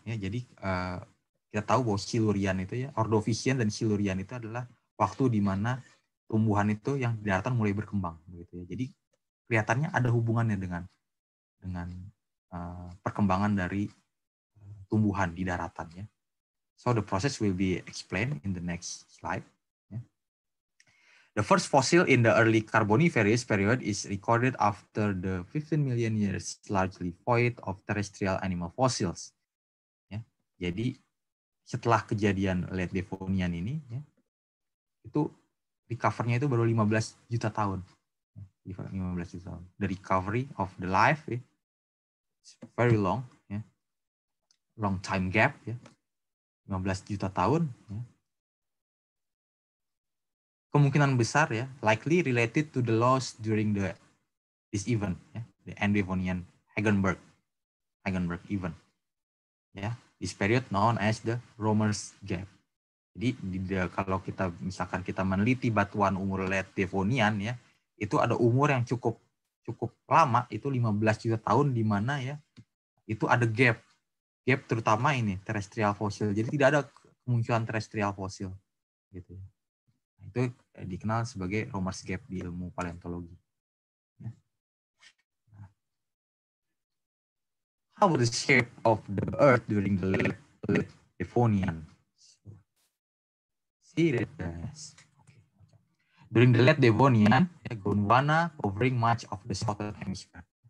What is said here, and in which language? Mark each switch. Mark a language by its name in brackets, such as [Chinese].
[Indonesian] Ya, jadi kita tahu bahwa Silurian itu ya, Ordovician dan Silurian itu adalah waktu di mana tumbuhan itu yang di daratan mulai berkembang. Gitu ya. Jadi kelihatannya ada hubungannya dengan perkembangan dari tumbuhan di daratan. Ya. [English] So the process will be explained in the next slide. Ya. The first fossil in the early Carboniferous period is recorded after the 15 million years largely void of terrestrial animal fossils. Ya. [Indonesian] Jadi setelah kejadian Late Devonian ini, ya, itu recovery-nya itu baru 15 juta tahun. 15 juta tahun. [English] The recovery of the life, ya, it's very long. Ya. Long time gap. Ya. [Indonesian] 15 juta tahun. [English] Ya. [Indonesian] Kemungkinan besar, [English] ya, likely related to the loss during this event. Ya, the Endevonian Hagenberg event. Ya. This period known as the Romer's Gap. [Indonesian] Jadi kalau kita misalkan kita meneliti batuan umur Late Devonian, ya, itu ada umur yang cukup lama, itu 15 juta tahun, di mana ya itu ada gap terutama ini terrestrial fossil. Jadi tidak ada kemunculan terrestrial fossil gitu. Itu dikenal sebagai Romer's Gap di ilmu paleontologi. [English] How was the shape of the Earth during the Late Devonian? During the Late Devonian, Gondwana covering much of the southern hemisphere.